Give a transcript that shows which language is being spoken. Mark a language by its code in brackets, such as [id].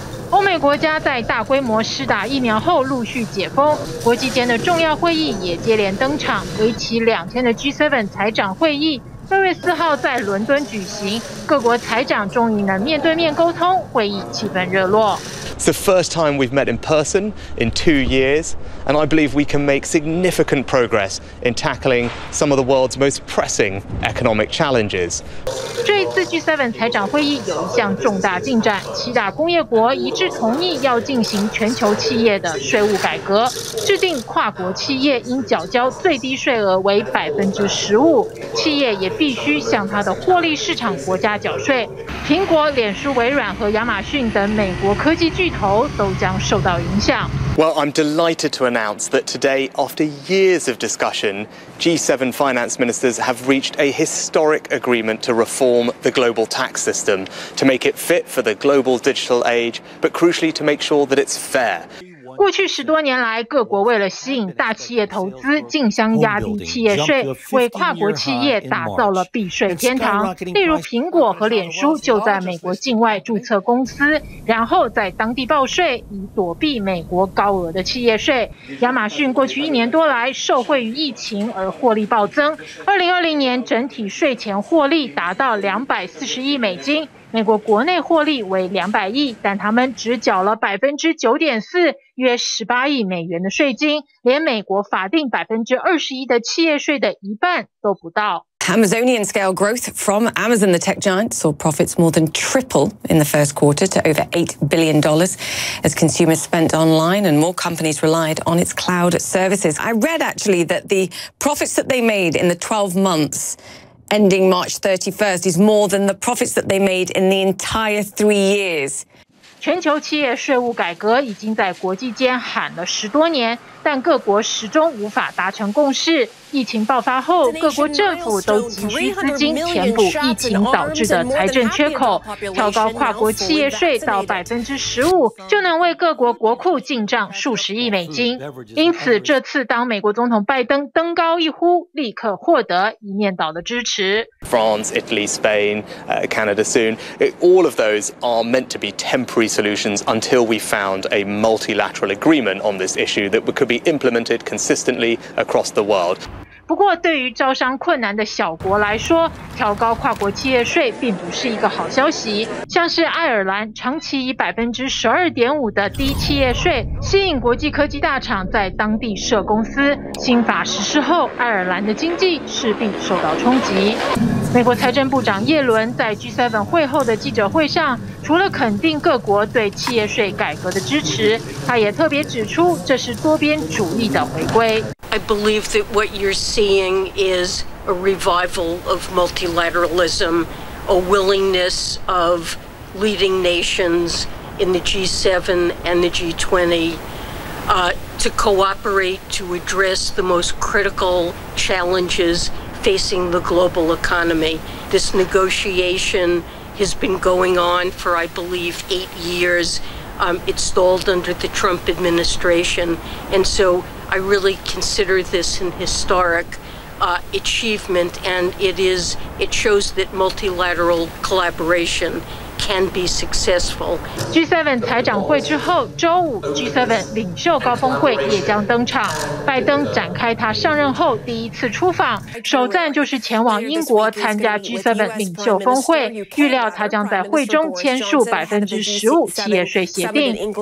[zh] 欧美国家在大规模施打疫苗后陆续解封，国际间的重要会议也接连登场。为期2天的 G7 财长会议6月4日在伦敦举行，各国财长终于能面对面沟通，会议气氛热络。 [en] It's the first time we've met in person in 2 years, and I believe we can make significant progress in tackling some of the world's most pressing economic challenges. [zh] 这一次 G7 财长会议有一项重大进展，七大工业国一致同意要进行全球企业的税务改革，制定跨国企业应缴交最低税额为15%，企业也必须向它的获利市场国家缴税。苹果、脸书、微软和亚马逊等美国科技巨头都将受到影响。 [en] Well, I'm delighted to announce that today, after years of discussion, G7 finance ministers have reached a historic agreement to reform the global tax system to make it fit for the global digital age, but crucially to make sure that it's fair. [zh] 过去十多年来，各国为了吸引大企业投资，竞相压低企业税，为跨国企业打造了避税天堂。例如，苹果和脸书就在美国境外注册公司，然后在当地报税，以躲避美国高额的企业税。亚马逊过去一年多来受惠于疫情而获利暴增，2020年整体税前获利达到240亿美金。美国国内获利为200亿，但他们只缴了9.4%，约18亿美元的税金，连美国法定21%的企业税的一半都不到。 [en] Amazonian scale growth from Amazon, the tech giant, saw profits more than triple in the first quarter to over $8 billion as consumers spent online and more companies relied on its cloud services. I read actually that the profits that they made in the 12 months ending March 31st is more than the profits that they made in the entire 3 years. [zh] 全球企业税务改革已经在国际间喊了十多年，但各国始终无法达成共识。疫情爆发后，各国政府都急需资金填补疫情导致的财政缺口，调高跨国企业税到15%，就能为各国国库进账数十亿美金。因此，这次当美国总统拜登登高一呼，立刻获得一面倒的支持。 [en] France, Italy, Spain, Canada soon. All of those are meant to be temporary solutions until we found a multilateral agreement on this issue that could be implemented consistently across the world. [zh] 不过，对于招商困难的小国来说，调高跨国企业税并不是一个好消息。像是爱尔兰，长期以12.5%的低企业税吸引国际科技大厂在当地设公司。新法实施后，爱尔兰的经济势必受到冲击。美国财政部长耶伦在 G7 会后的记者会上，除了肯定各国对企业税改革的支持，他也特别指出这是多边主义的回归。 [en] I believe that what you're seeing is a revival of multilateralism, a willingness of leading nations in the G7 and the G20, to cooperate to address the most critical challenges facing the global economy. This negotiation has been going on for, I believe, 8 years. It stalled under the Trump administration. And so I really consider this an historic achievement, and it shows that multilateral collaboration can be successful. [zh] G7 财长会之后，周五 G7 领袖高峰会也将登场。拜登展开他上任后第一次出访，首站就是前往英国参加 G7 领袖峰会。预料他将在会中签署15%企业税协定。